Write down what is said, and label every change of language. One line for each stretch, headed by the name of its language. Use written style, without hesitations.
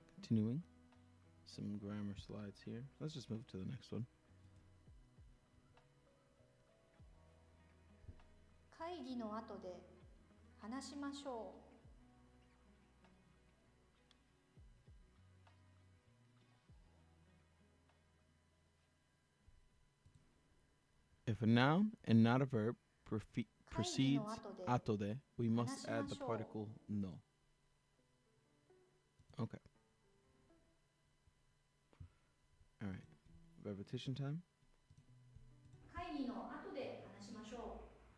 English: Continuing some grammar slides here. Let's just move to the next one.
Japanese: 会議の後で話しましょう。
English: If a noun and not a verb precedes 後で、we must add the particle の。 Okay. All right, repetition time.
Japanese: 会議の後で話しましょう。